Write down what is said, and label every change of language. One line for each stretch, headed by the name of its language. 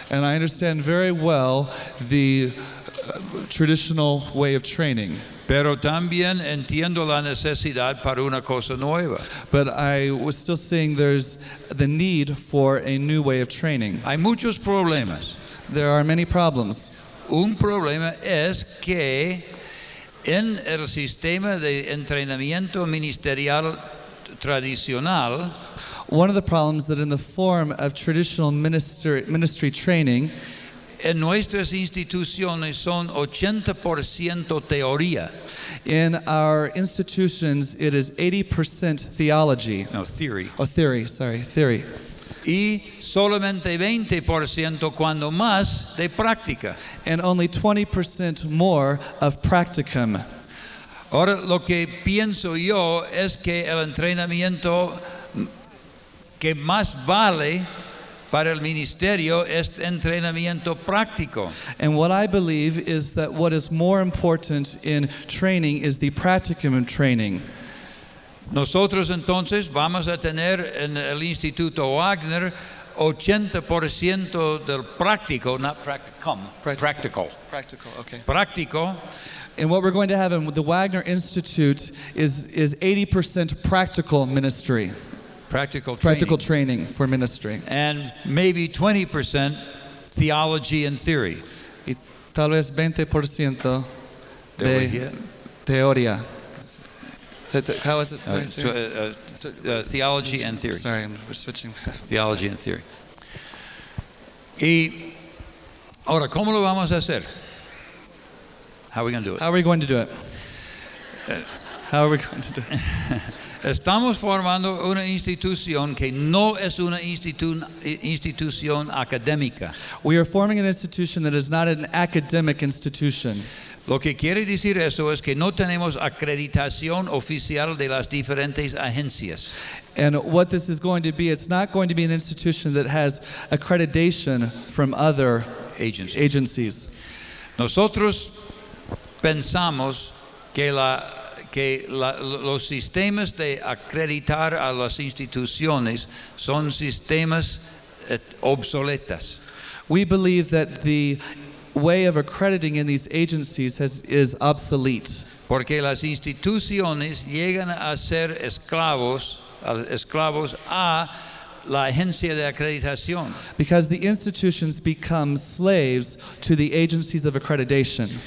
English: And I understand very well the traditional way of training.
Spanish: Pero también entiendo la necesidad para una cosa nueva.
English: But I was still seeing there's the need for a new way of training.
Spanish: Hay muchos problemas.
English: There are many problems.
Spanish: Un problema es que en el sistema de entrenamiento ministerial tradicional,
English: one of the problems that in the form of traditional ministry training,
Spanish: en nuestras instituciones son 80% teoría.
English: In our institutions, it is 80% theology. No, theory. Oh, theory, sorry, theory.
Spanish: Y solamente 20% cuando más de práctica.
English: And only 20% more of practicum.
Spanish: Ahora, lo que pienso yo es que el entrenamiento que más vale para el ministerio es entrenamiento práctico.
English: And what I believe is that what is more important in training is the practicum of training.
Spanish: Nosotros entonces vamos a tener en el Instituto Wagner 80% del práctico,
English: not practicum, practical. Practical, okay. Practical. And what we're going to have in the Wagner Institute is 80% practical ministry. Practical training for ministry. And maybe 20% theology and theory.
Spanish: Y tal vez 20% de teoría.
English: How was it? Theology and theory. Sorry, I'm switching. Theology and theory.
Spanish: Y ahora, ¿cómo lo vamos a hacer?
English: How are we going to do it? How are we going to do it? How are we going to do it?
Spanish: Estamos formando una institución que no es una institución académica.
English: We are forming an institution that is not an academic institution.
Spanish: Lo que quiere decir eso es que no tenemos acreditación oficial de las diferentes agencias.
English: And what this is going to be, it's not going to be an institution that has accreditation from other agencies.
Spanish: Nosotros pensamos que los sistemas de acreditar a las instituciones son sistemas obsoletas.
English: We believe that the way of accrediting in these agencies is obsolete.
Spanish: Porque las instituciones llegan a ser esclavos a la agencia de acreditación.
English: Because the institutions become slaves to the agencies of accreditation.